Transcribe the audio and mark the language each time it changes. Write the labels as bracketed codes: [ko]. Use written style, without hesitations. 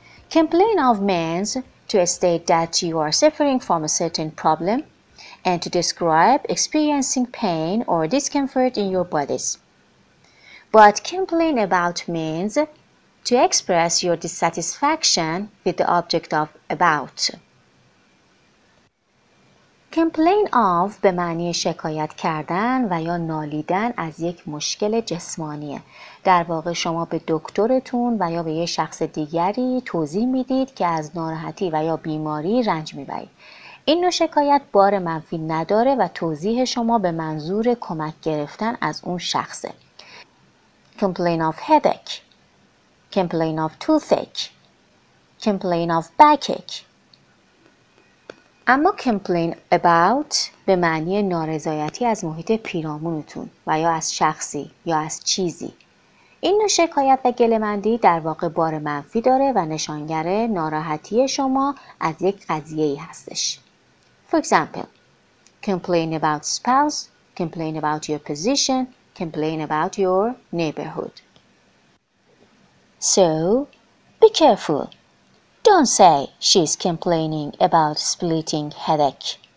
[en] Complain of means to state that you are suffering from a certain problem and to describe experiencing pain or discomfort in your bodies. But complain about means to express your dissatisfaction with the object of about. [fa] Complain of به معنی شکایت کردن و یا نالیدن از یک مشکل جسمانیه. در واقع شما به دکترتون و یا به یه شخص دیگری توضیح میدید که از ناراحتی و یا بیماری رنج میبرید. این نوع شکایت بار منفی نداره و توضیح شما به منظور کمک گرفتن از اون شخصه. [en] Complain of headache. Complain of toothache. Complain of backache. [fa] اما complain about به معنی نارضایتی از محیط پیرامونتون و یا از شخصی یا از چیزی. این نوع شکایت و گله‌مندی در واقع بار منفی داره و نشانگر ناراحتی شما از یک قضیه ای هستش. [en] For example, complain about spouse, complain about your position, complain about your neighborhood. So, be careful. Don't say she's complaining about splitting headache.